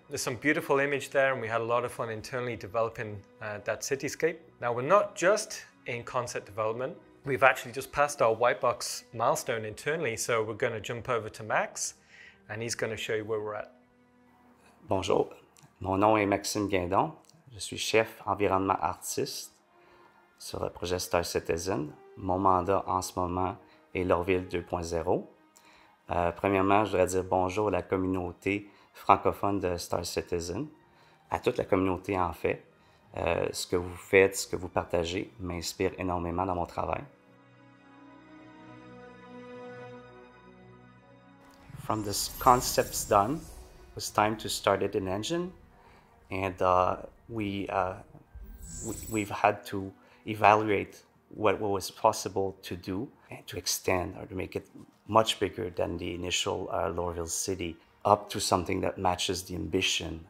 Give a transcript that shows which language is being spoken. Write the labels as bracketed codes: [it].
[en] There's some beautiful image there, and we had a lot of fun internally developing that cityscape. Now, we're not just in concept development. We've actually just passed our white box milestone internally, so we're going to jump over to Max, and he's going to show you where we're at. [fr] Bonjour. Mon nom est Maxime Guindon. Je suis chef environnement artiste sur le projet Star Citizen. Mon mandat en ce moment est Lorville 2.0. Premièrement, je voudrais dire bonjour à la communauté francophone de Star Citizen, à toute la communauté en fait. Ce que vous faites, ce que vous partagez, m'inspire énormément dans mon travail. [en] From the concepts done, it was time to start an engine, and we've had to evaluate what was possible to do and to extend or to make it much bigger than the initial Lorville city, up to something that matches the ambition.